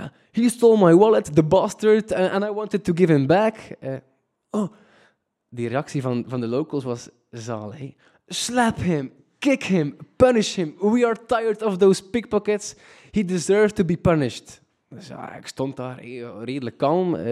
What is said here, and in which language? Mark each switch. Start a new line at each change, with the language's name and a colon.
English: He stole my wallet, the bastard, and I wanted to give him back.
Dutch: Die reactie van de locals was zalig.
English: Slap him, kick him, punish him. We are tired of those pickpockets. He deserves to be punished.
Dutch: Dus ja, ik stond daar redelijk kalm.